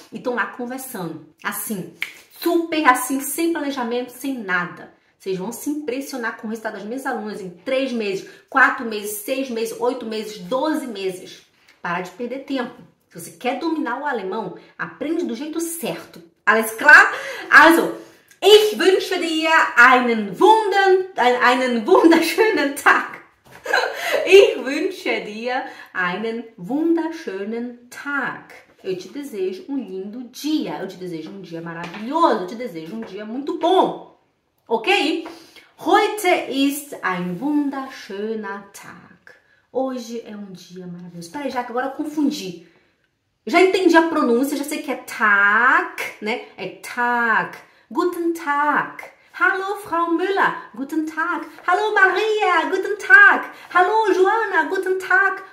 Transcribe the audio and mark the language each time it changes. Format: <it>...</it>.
<pt>E estão lá conversando, assim, super assim, sem planejamento, sem nada. Vocês vão se impressionar com o resultado das minhas alunas em 3 meses, 4 meses, 6 meses, 8 meses, 12 meses. Para de perder tempo. Se você quer dominar o alemão, aprende do jeito certo.</pt> <de>Alles klar? Also, ich wünsche dir einen wunderschönen Tag. Ich wünsche dir einen wunderschönen Tag.</de> <pt>Eu te desejo um lindo dia. Eu te desejo um dia maravilhoso. Eu te desejo um dia muito bom. Ok?</pt> <de>Heute ist ein wunderschöner Tag.</de> <pt>Hoje é um dia maravilhoso. Peraí, já que agora eu confundi. Já entendi a pronúncia, já sei que é Tag, né?</pt> <de>É Tag. Guten Tag. Hallo, Frau Müller. Guten Tag. Hallo, Maria. Guten Tag. Hallo, Joana. Guten Tag.</de>